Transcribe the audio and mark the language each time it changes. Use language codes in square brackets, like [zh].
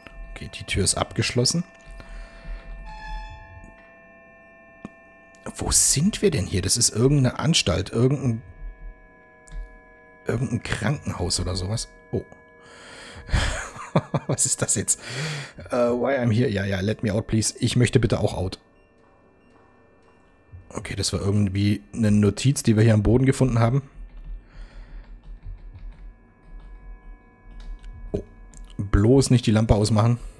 [de] Okay, die Tür ist abgeschlossen. Wo sind wir denn hier? Das ist irgendeine Anstalt, irgendein Krankenhaus oder sowas. Oh. Was ist das jetzt? [en] Why I'm here? [de] Ja, ja, [en] let me out, please. [de] Ich möchte bitte auch out. Okay, das war irgendwie eine Notiz, die wir hier am Boden gefunden haben. Oh. Bloß nicht die Lampe ausmachen.